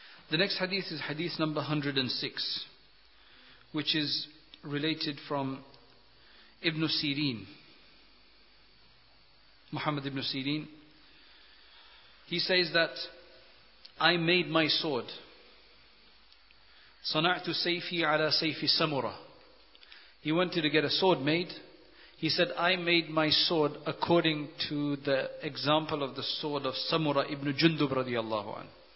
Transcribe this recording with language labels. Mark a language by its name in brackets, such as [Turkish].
[English] The next hadith is hadith number 106, which is related from Ibn Sirin, Muhammad Ibn Sirin. He says that, I made my sword. [Arabic] صَنَعْتُ سَيْفِي عَلَى سَيْفِ samura. [English] He wanted to get a sword made. He said, I made my sword according to the example of the sword of Samura ibn Jundub radiallahu anhu.